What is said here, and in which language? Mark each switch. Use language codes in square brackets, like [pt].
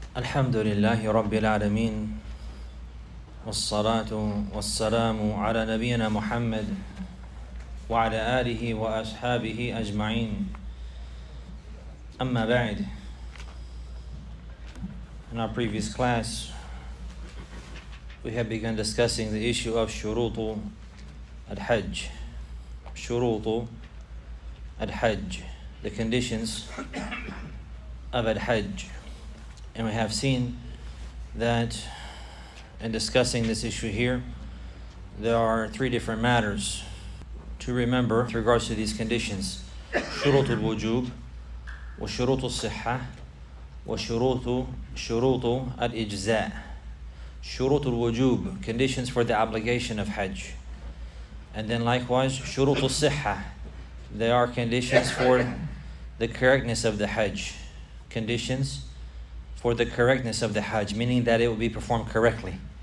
[ar] الحمد لله رب العالمين والصلاة والسلام على نبينا محمد وعلى آله وأصحابه أجمعين أما بعد. [en] In our previous class, we have begun discussing the issue of [ar] شروط الحج. شروط الحج, [en] the conditions of الحج. And we have seen that in discussing this issue here, there are three different matters to remember with regards to these conditions. [ar] شروط الوجوب وشروط الصحة وشروط الإجزاء. شروط الوجوب, [en] conditions for the obligation of Hajj. And then likewise, [ar] شروط الصحة, [en] they are conditions for the correctness of the Hajj. Conditions for the correctness of the Hajj, meaning that it will be performed correctly.